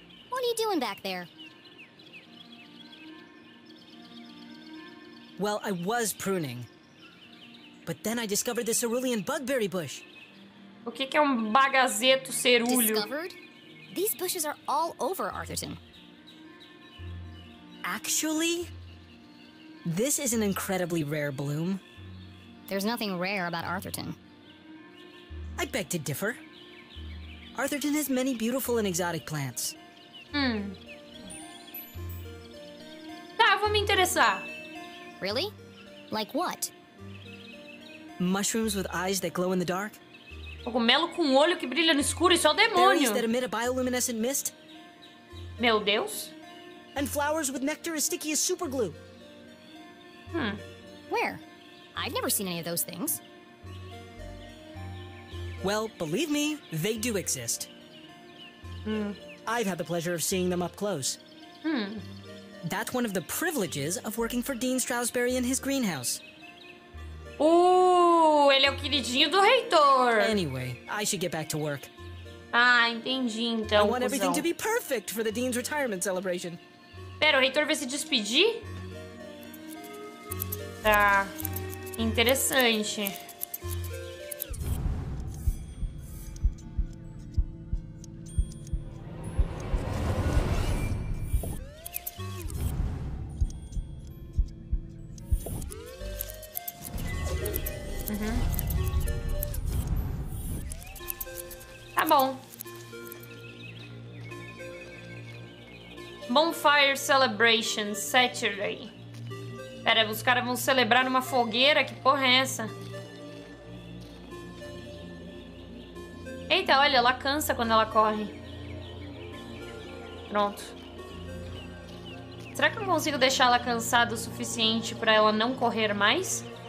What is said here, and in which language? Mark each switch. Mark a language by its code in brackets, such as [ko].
[en] What are you doing back there? Well, I was pruning. But then I discovered the cerulean bugberry bush. [pt] O que é um bagazeto cerúleo? [en] Discovered? These bushes are all over Arthurton. Actually, this is an incredibly rare bloom. There's nothing rare about Arthurton. I beg to differ. Arthurton has many beautiful and exotic plants. [pt] Tá, vou me interessar. [en] Really? Like what? Mushrooms with eyes that glow in the dark? [pt] Cogumelo com olho que brilha no escuro, isso é o demônio. [en] Berries that emit a bioluminescent mist? [pt] Meu Deus. [en] And flowers with nectar as sticky as super glue. Where? I've never seen any of those things. Well, believe me, they do exist. I've had the pleasure of seeing them up close. That's one of the privileges of working for Dean Strausberry in his greenhouse. [pt] Ele é o queridinho do reitor. [en] Anyway, I should get back to work. [pt] Ah, entendi então. [en] I want everything to be perfect for the Dean's retirement celebration. [pt] Pera, o reitor vai se despedir? Tá. Interessante. [en] Bonfire Celebration Saturday. [pt] Pera, os caras vão celebrar numa fogueira? Que porra é essa? Eita, olha, ela cansa quando ela corre. Pronto. Será que eu consigo deixar ela cansada o suficiente pra ela não correr mais?